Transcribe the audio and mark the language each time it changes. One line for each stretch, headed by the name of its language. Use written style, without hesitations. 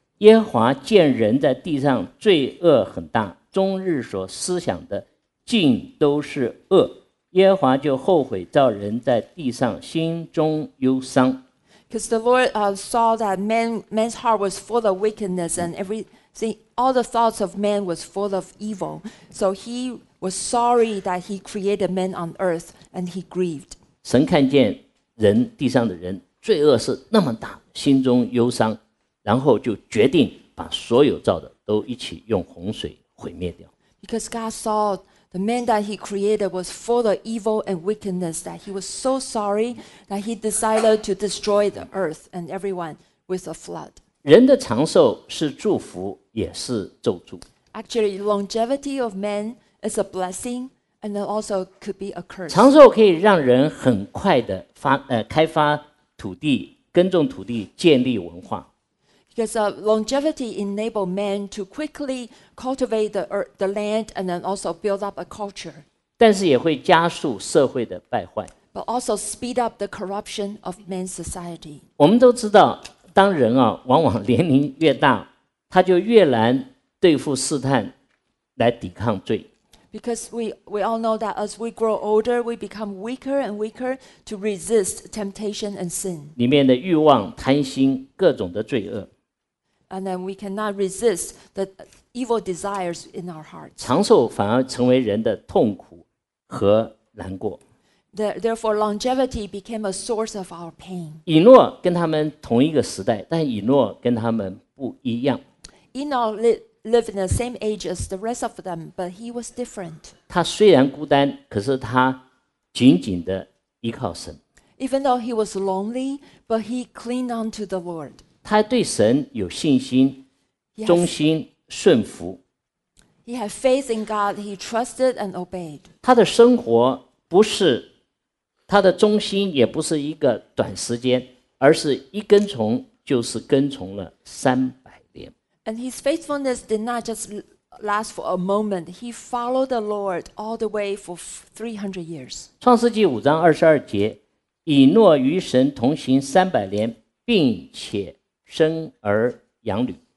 Chinese: 耶和华见人在地上罪恶很大，终日所思想的尽都是恶。耶和华就后悔造人在地上，心中忧伤。
English: Because the Lord saw that man's heart was full of wickedness, and all the thoughts of man was full of evil. So he was sorry that he created man on earth, and he grieved.
Chinese: 神看见人地上的人罪恶是那么大，心中忧伤，然后就决定把所有造的都一起用洪水毁灭掉。
English: Because God saw. The man that he created was full of evil and wickedness that he was so sorry that he decided to destroy the earth and everyone with a flood.
Chinese: 人的长寿是祝福，也是咒诅。
English: Actually, longevity of man is a blessing and it also could be a curse.
Chinese: 长寿可以让人很快的开发土地，耕种土地，建立文化。
English: Because longevity enabled man to quickly cultivate the earth, the land, and then also build up a culture.
Chinese: 但是也会加速社会的败坏。
English: But also speed up the corruption of man's society.
Chinese: 我们都知道，当人啊，往往年龄越大，他就越难对付试探，来抵抗罪。
English: Because we all know that as we grow older, we become weaker and weaker to resist temptation and sin.
Chinese: 里面的欲望、贪心、各种的罪恶。
English: And then we cannot resist the evil desires in our hearts.
Chinese: 长寿反而成为人的痛苦和难过。
English: Therefore, longevity became a source of our pain.
Chinese: 以诺跟他们同一个时代，但以诺跟他们不一样。
English: Enoch lived in the same age as the rest of them, but he was different.
Chinese: 他虽然孤单，可是他紧紧地依靠神。
English: Even though he was lonely, but he clung on to the Lord.
Chinese: 他对神有信心，忠心顺服。
English: He had faith in God. He trusted and obeyed.
Chinese: 他的生活不是他的忠心，也不是一个短时间，而是一跟从就是跟从了三百。
English: And his faithfulness did not just last for a moment. He followed the Lord all the way for 300 years.
Chinese: 创世纪五章二十二节，以诺与神同行三百年，并且生儿养女。